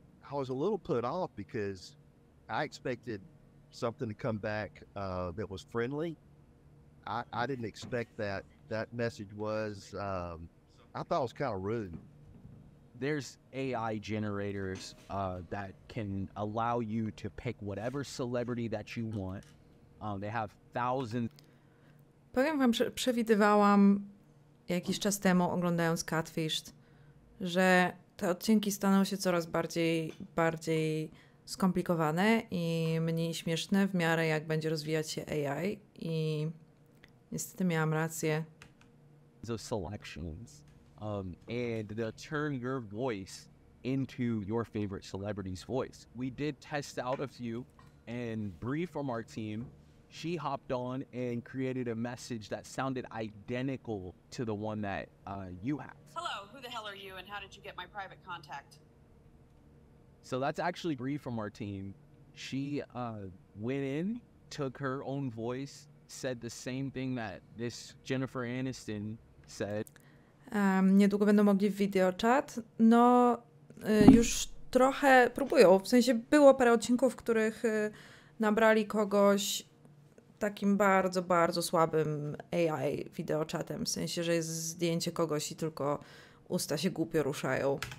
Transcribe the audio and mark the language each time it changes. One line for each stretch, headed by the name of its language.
English: I was a little put off because I expected something to come back that was friendly. I didn't expect that message was, I thought it was kind of rude. There's AI generators that can allow you to pick whatever celebrity that you want. They have thousands.
Polish: Powiem wam, przewidywałam jakiś czas temu, oglądając CATFISHED, że te odcinki staną się coraz bardziej skomplikowane i mniej śmieszne w miarę jak będzie rozwijać się AI. I niestety miałam rację.
English: The selections. And they'll turn your voice into your favorite celebrity's voice. We did test out a few, and Brie from our team, she hopped on and created a message that sounded identical to the one that you have. Hello, who the hell are you, and how did you get my private contact? So that's actually Brie from our team. She went in, took her own voice, said the same thing that this Jennifer Aniston said.
Polish: Niedługo będą mogli w video chat. No, już trochę próbują. W sensie było parę odcinków, w których nabrali kogoś takim bardzo, bardzo słabym AI video chatem. W sensie, że jest zdjęcie kogoś i tylko usta się głupio ruszają.